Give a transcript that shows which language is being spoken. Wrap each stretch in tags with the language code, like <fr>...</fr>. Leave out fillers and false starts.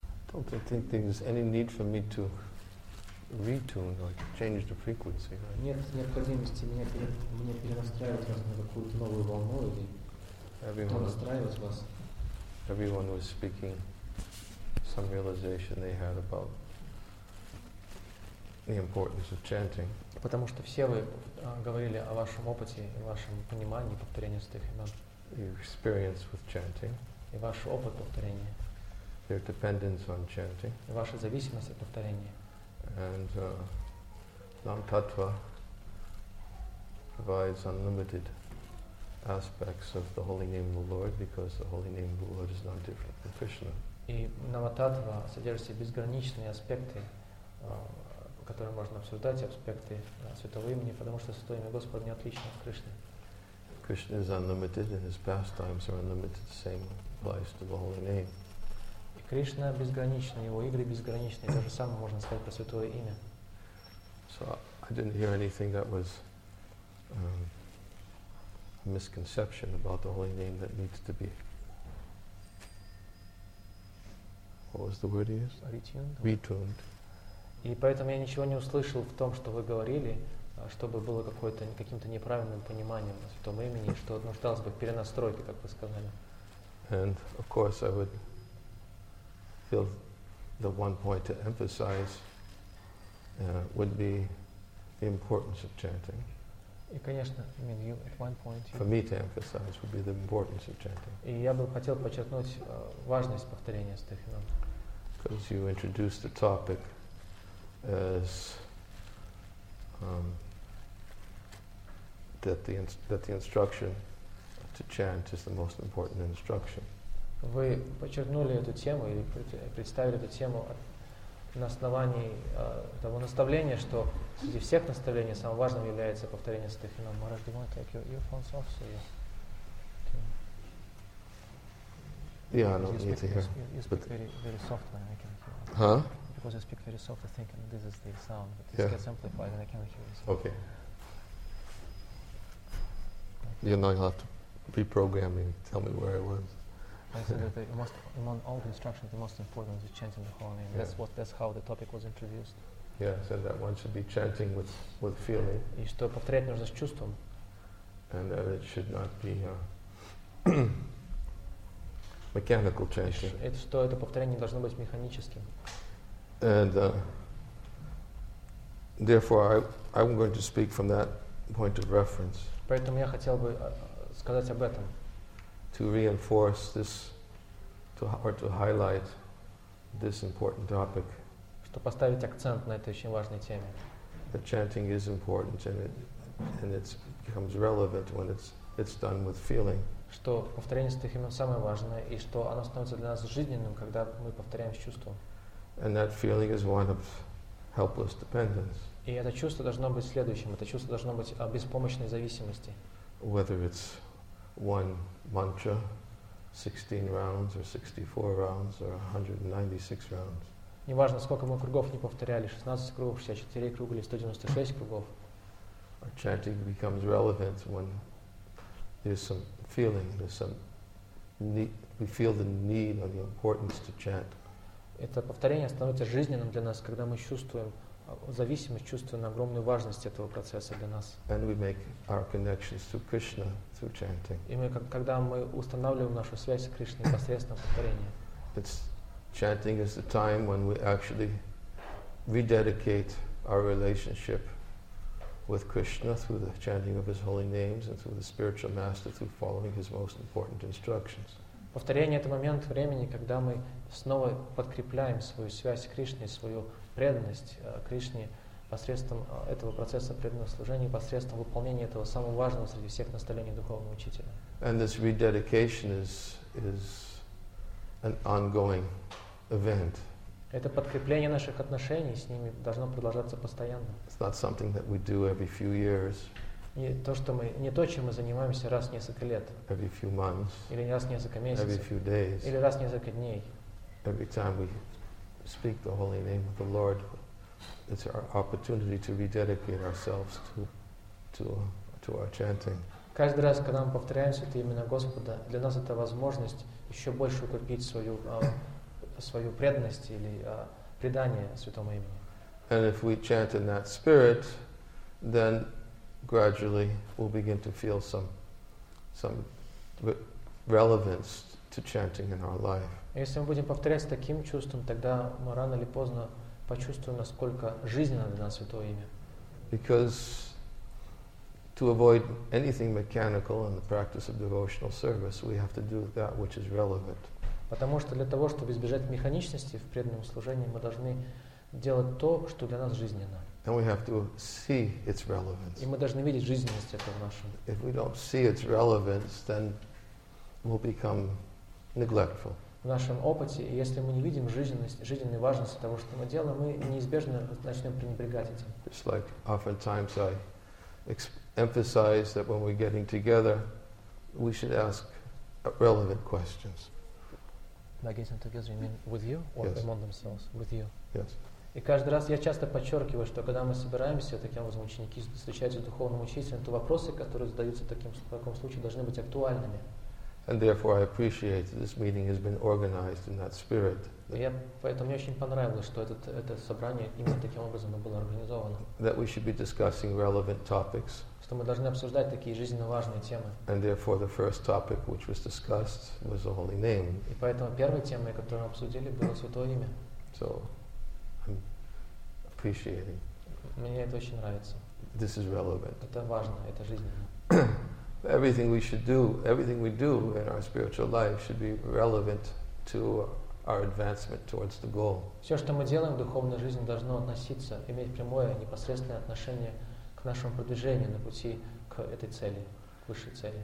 <en>I don't think there's any need for me to retune or change the frequency.</en> <ru>Нет необходимости мне перенастраивать вас на какую-то новую волну или перенастраивать вас.</ru> <en>Everyone was speaking some realization they had about the importance of chanting.</en> <ru>Потому что все вы говорили о вашем опыте и вашем понимании повторения святых имен.</ru> <en>Your experience with chanting.</en> <ru>И ваш опыт повторения.</ru> <en>Their dependence on chanting.</en> <ru>И ваша зависимость от повторения.</ru> <en>And Lam Tattva provides unlimited aspects of the holy name of the Lord because the holy name of the Lord is not different from Krishna.</en> <ru>И Наматтва содержит безграничные аспекты, которые можно обсуждать, аспекты святого имени, потому что святое имя Господа не отлично от Кришны.</ru> <en>Krishna is unlimited and his pastimes are unlimited, the same applies to the holy name.</en> <ru>Кришна безграничен, его игры безграничны, то же самое можно сказать про святое имя.</ru> <en>So I didn't hear anything that was a misconception about the holy name that needs to be. What was the word he used? Retuned. Retuned.</en> <ru>И поэтому я ничего не услышал в том, что вы говорили, чтобы было какое-то каким-то неправильным пониманием о святом имени, что нуждалось бы в перенастройке, как вы сказали.</ru> <en>And of course I would feel the one point to emphasize would be the importance of chanting.</en> <ru>И, конечно,</ru> <en>I mean, you, at one point, for me to emphasize would be the importance of chanting.</en> <ru>И я бы хотел подчеркнуть важность повторения святых имен.</ru> <en>Because you introduced the topic as that the instruction to chant is the most important instruction.</en> <ru>Вы подчеркнули эту тему или представили эту тему на основании того наставления, что среди всех наставлений самым важным является повторение святых имен.</ru> <en>Мараш, do you want to take your earphones off? So you yeah, I don't need to hear. You speak very, very softly and I can hear. Huh? Because you speak very softly, thinking this is the sound, but this gets amplified and I can hear this. Okay. You know, you'll have to reprogram me, tell me where I was. I said that the most, among all the instructions, the most important is chanting the holy name. Yeah. That's how the topic was introduced. Yeah, I said that one should be chanting with feeling.</en> <ru>И что повторять нужно с чувством.</ru> <en>And that it should not be mechanical chanting.</en> <ru>Это что это повторение должно быть механическим.</ru> <en>And therefore, I'm going to speak from that point of reference.</en> <ru>Поэтому я хотел бы сказать об этом.</ru> <en>To reinforce this, to highlight this important topic.</en> <ru>Чтобы поставить акцент на этой очень важной теме.</ru> <en>That chanting is important and it becomes relevant when it's done with feeling.</en> <ru>Что повторение святых имен самое важное и что оно становится для нас жизненным, когда мы повторяем с чувством.</ru> <en>And that feeling is one of helpless dependence.</en> <ru>И это чувство должно быть следующим. Это чувство должно быть о беспомощной зависимости.</ru> <en>Whether it's one mantra, 16 rounds, or 64 rounds, or 196 rounds.</en> <ru>Неважно, сколько мы кругов не повторяли, 16 кругов, 64 круга или 196 кругов.</ru> <en>Our chanting becomes relevant when there's some feeling, there's some need, we feel the need or the importance to chant.</en> <ru>Это повторение становится жизненным для нас, когда мы чувствуем зависимость, чувствуем огромную важность этого процесса для нас.</ru> <en>And we make our connections to Krishna through chanting.</en> <ru>И мы, когда мы устанавливаем нашу связь с Кришной посредством повторения.</ru> <en>It's chanting is the time when we actually rededicate our relationship with Krishna through the chanting of his holy names and through the spiritual master through following his most important instructions.</en> <ru>Повторение — это момент времени, когда мы снова подкрепляем свою связь с Кришной, свою преданность Кришне посредством этого процесса преданного служения, посредством выполнения этого самого важного среди всех наставлений духовного учителя.</ru> <en>And this rededication is an ongoing event.</en> <ru>Это подкрепление наших отношений с ними должно продолжаться постоянно.</ru> <en>It's not something that we do every few years.</en> <ru>Не то, чем мы занимаемся раз в несколько лет.</ru> <en>Every few months.</en> <ru>Или раз в несколько месяцев.</ru> <en>Every few days.</en> <ru>Или раз в несколько дней.</ru> <en>Every time we speak the holy name of the Lord, it's our opportunity to rededicate ourselves to our chanting.</en> <ru>Каждый раз, когда мы повторяем святые имена Господа, для нас это возможность еще больше укрепить свою свою преданность или предание Святому имени.</ru> <en>And if we chant in that spirit, then gradually we'll begin to feel some relevance to chanting in our life.</en> <ru>Если мы будем повторять с таким чувством, тогда мы рано или поздно почувствуем, насколько жизненно для нас Святое имя.</ru> <en>Because to avoid anything mechanical in the practice of devotional service, we have to do that which is relevant.</en> <ru>Потому что для того, чтобы избежать механичности в преданном служении, мы должны делать то, что для нас жизненно.</ru> <en>And we have to see its relevance.</en> <ru>И мы должны видеть жизненность этого в нашем.</ru> <en>If we don't see its relevance, then we'll become neglectful.</en> <ru>В нашем опыте, если мы не видим жизненность, жизненной важности того, что мы делаем, мы неизбежно начнем пренебрегать этим.</ru> <en>Just like oftentimes I emphasize that when we're getting together, we should ask relevant questions. By getting together, you mean with you or yes. Among themselves? With you. Yes.</en> <ru>И каждый раз я часто подчеркиваю, что когда мы собираемся, таким образом ученики встречаются с духовным учителем, то вопросы, которые задаются в таком случае, должны быть актуальными.</ru> <en>And therefore, I appreciate that this meeting has been organized in that spirit.</en> <ru>Поэтому мне очень понравилось, что это собрание именно таким образом было организовано.</ru> <en>That we should be discussing relevant topics.</en> <ru>Что мы должны обсуждать такие жизненно важные темы.</ru> <en>And therefore, the first topic which was discussed was the Holy Name.</en> <ru>И поэтому первой темой, которую мы обсудили, было Святое имя.</ru> <en>So, I'm appreciating.</en> <ru>Мне это очень нравится.</ru> <en>This is relevant.</en> <ru>Это важно, это жизненно.</ru> <en>Everything we should do, everything we do in our spiritual life should be relevant to our advancement towards the goal.</en> <ru>Все, что мы делаем в духовной жизни, должно относиться, иметь прямое, непосредственное отношение к нашему продвижению на пути к этой цели, к высшей цели.</ru>